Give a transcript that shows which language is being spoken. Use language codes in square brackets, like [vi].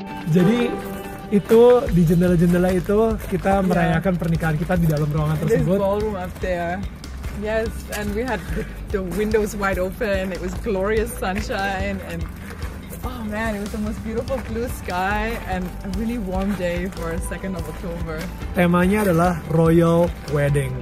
[id] Jadi itu di jendela-jendela itu kita merayakan pernikahan kita di dalam ruangan tersebut. [en] This ballroom up there. Yes, and we had the windows wide open. It was glorious sunshine and oh man, it was the most beautiful blue sky and a really warm day for 2nd of October. [id] Temanya adalah royal wedding.